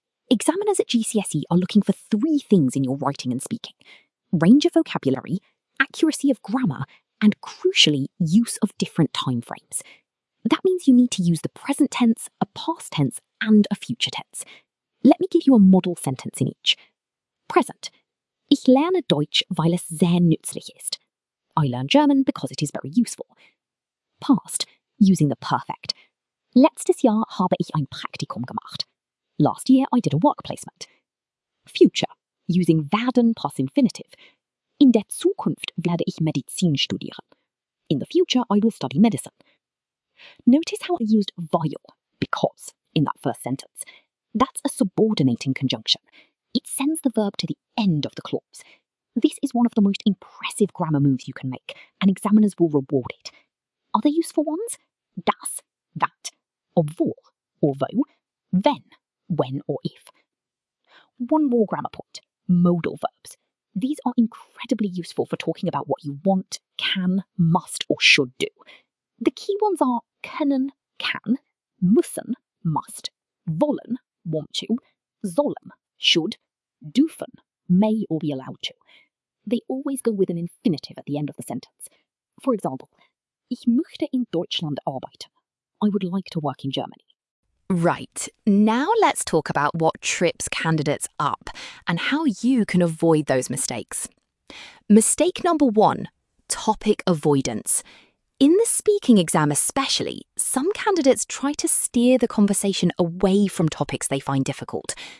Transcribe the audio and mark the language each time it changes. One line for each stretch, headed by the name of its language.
English: Examiners at GCSE are looking for three things in your writing and speaking. Range of vocabulary, accuracy of grammar, and crucially, use of different time frames. That means you need to use the present tense, a past tense, and a future tense. Let me give you a model sentence in each. Present.
German: Ich lerne Deutsch, weil es sehr nützlich ist.
English: I learn German because it is very useful. Past. Using the perfect.
German: Letztes Jahr habe ich ein Praktikum gemacht.
English: Last year I did a work placement. Future. Using werden plus infinitive.
German: In der Zukunft werde ich Medizin studieren.
English: In the future, I will study medicine. Notice how I used weil, because, in that first sentence. That's a subordinating conjunction. It sends the verb to the end of the clause. This is one of the most impressive grammar moves you can make, and examiners will reward it. Other useful ones? Das, that, obwohl, although, wenn, when or if. One more grammar point. Modal verbs. These are incredibly useful for talking about what you want, can, must, or should do. The key ones are können, can, müssen, must, wollen, want to, sollen, should, dürfen, may or be allowed to. They always go with an infinitive at the end of the sentence. For example,
German: ich möchte in Deutschland arbeiten.
English: I would like to work in Germany. Right, now let's talk about what trips candidates up and how you can avoid those mistakes. Mistake number one, topic avoidance. In the speaking exam especially, some candidates try to steer the conversation away from topics they find difficult.